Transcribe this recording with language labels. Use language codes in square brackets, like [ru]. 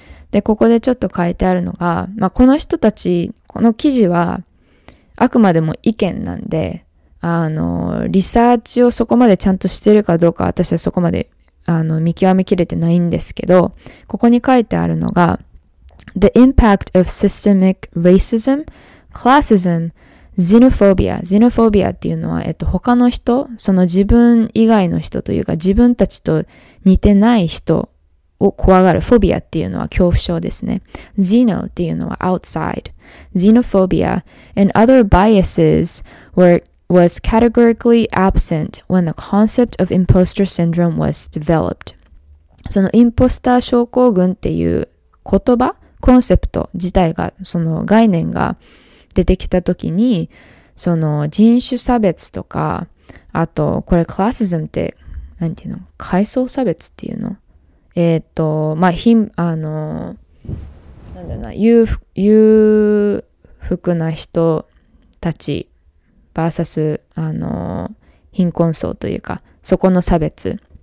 [ja] で、ここでちょっと変えてあるのが、まあ、この人たち、この記事は、あくまでも意見なんで、リサーチをそこまでちゃんとしてるかどうか、私はそこまで、見極めきれてないんですけど、ここに書いてあるのが、 [en] The impact of systemic racism, classism, xenophobia. [ja] Xenophobia っていうのは、他の人、その自分以外の人というか、自分たちと似てない人、を怖がる。フォビアっていうのは恐怖症ですね。 Xeno っていうのは outside. [en] Xenophobia and other biases was categorically absent when the concept of imposter syndrome was developed. [ja] そのインポスター症候群っていう言葉、コンセプト自体が、その概念が出てきた時に、その人種差別とか、あとこれクラシズムって、なんていうの？階層差別っていうの？まあ、なんだな、裕福な人たち、バーサス、貧困層というか、そこの差別。